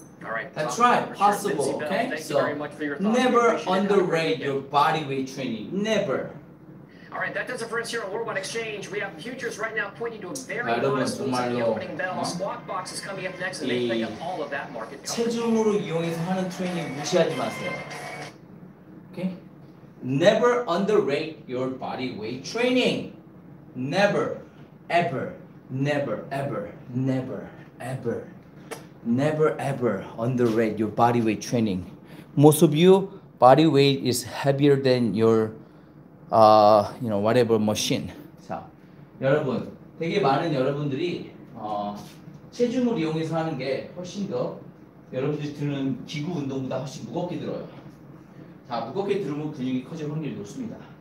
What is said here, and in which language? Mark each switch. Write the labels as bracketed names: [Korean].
[English] All right. That's right. Possible. Sure. Okay. Thank so you very much for your thoughts. Never underrate your body weight training. Never. All right. That does it for us here on Worldwide Exchange. We have futures right now pointing to a very nice move at the opening bell. Squawk Box is coming up next, and they play up all of that market. [Korean] 체중으로 이용해서 하는 트레이닝 무시하지 마세요. [English] Okay. Never underrate your body weight training. Never, ever, never, ever, never, ever. Never ever underrate your body weight training. Most of you body weight is heavier than your you know, whatever machine. [Korean] 자, 여러분, 되게 많은 여러분들이 체중을 이용해서 하는 게 훨씬 더 여러분들이 드는 기구 운동보다 훨씬 무겁게 들어요. 자, 무겁게 들으면 근육이 커질 확률이 높습니다.